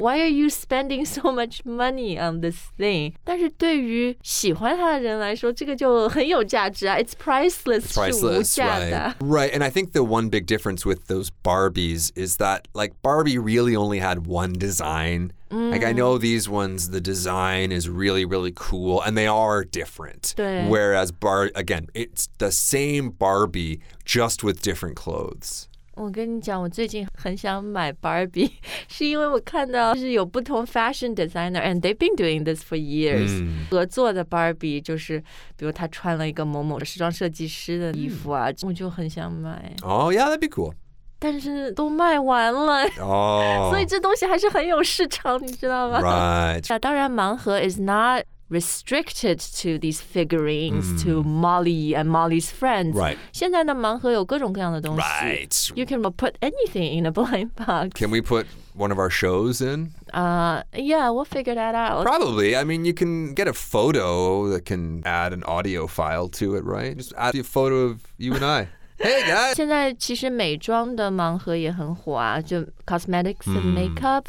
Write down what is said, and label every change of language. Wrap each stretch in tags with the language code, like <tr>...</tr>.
<en>Why are you spending so much money on this thing?</en> <zh>但是对于喜欢它的人来说这个就很有价值啊。</zh> <en>It's priceless,</en> <zh>是无价的。</zh> <en>Right, and I think the one big difference with those Barbies is that, like, Barbie really only had one design. Like, I know these ones, the design is really, really cool, and they are different.</en> <zh>对。</zh> <en>Whereas, again, it's the same Barbie, just with different clothes.</en> <zh>我跟你讲，我最近很想买 Barbie, 是因为我看到就是有不同 fashion designer,</zh> <en>and they've been doing this for years.</en> <zh>合作的 Barbie 就是比如她穿了一个某某时装设计师的衣服啊，我就很想买。</zh> <en>Oh, yeah, that'd be cool.</en> <zh>但是都卖完了、所以这东西还是很有市场你知道吗、</zh> <en>right.</en> <zh>当然盲盒</zh> <en>is not restricted to these figurines、to Molly and Molly's friends、 right.</en> <zh>现在的盲盒有各种各样的东西、</zh> <en>right. You can put anything in a blind box. Can we put one of our shows in? Yeah, we'll figure that out. Probably. I mean, you can get a photo that can add an audio file to it, right? Just add a photo of you and I. Hey, guys!</en> <zh>现在其实美妆的盲盒也很火啊，就</zh> <en>cosmetics and makeup.</en>